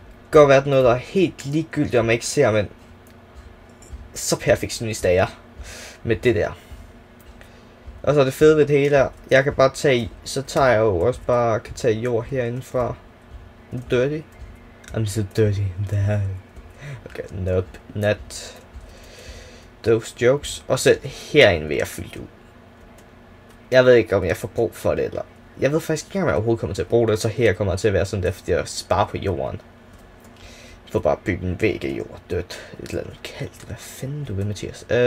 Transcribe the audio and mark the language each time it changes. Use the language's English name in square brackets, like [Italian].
[Danish] Godt være noget, der er helt ligegyldigt, om man ikke ser, men så perfektionist er jeg med det der. Og så er det fede ved det hele der. Jeg kan bare tage, så tager jeg jo også bare, kan tage jord herinde fra. [English] Dirty. I'm so dirty in the hell. Okay, nope, not those jokes. [Danish] Og selv herinde vil jeg fylde ud. Jeg ved ikke, om jeg får brug for det, eller jeg ved faktisk ikke, om jeg overhovedet kommer til at bruge det, så her kommer til at være sådan der, fordi jeg sparer på jorden. For bare at bygge en væg af jord dødt. Et eller andet kaldt. Hvad fanden du ved, Mathias?